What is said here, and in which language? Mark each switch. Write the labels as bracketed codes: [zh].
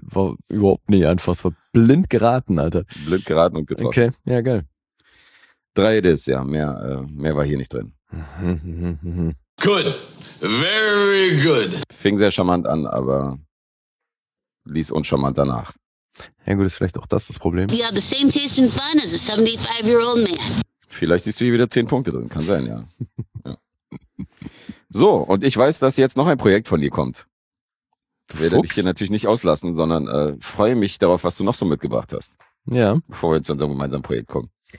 [de] Das war überhaupt nicht einfach, es war blind geraten, Alter. Blind geraten und getroffen. Okay, ja, geil. 3 ist es, ja, mehr war hier nicht drin. [en] Good, very good. [de] Fing sehr charmant an, aber ließ uncharmant danach. Ja gut, ist vielleicht auch das Problem. [en] You have the same taste and fun as a 75-year-old man. [de] Vielleicht siehst du hier wieder 10 Punkte drin, kann sein, ja. So, und ich weiß, dass jetzt noch ein Projekt von dir kommt. Ich werde dich hier natürlich nicht auslassen, sondern freue mich darauf, was du noch so mitgebracht hast. Ja. Bevor wir zu unserem gemeinsamen Projekt kommen.